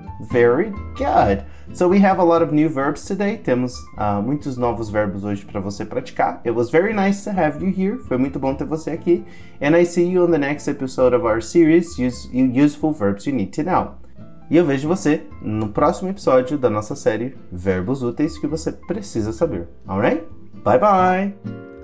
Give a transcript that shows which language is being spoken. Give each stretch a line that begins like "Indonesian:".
English: Very good. So we have a lot of new verbs today.
Portuguese: Temos muitos novos verbos hoje para você praticar.
English: It was very nice to have you here.
Portuguese: Foi muito bom ter você aqui.
English: And I see you on the next episode of our series, Useful Verbs You Need to Know.
Portuguese: E eu vejo você no próximo episódio da nossa série Verbos Úteis que você precisa saber.
English: Alright? Bye bye!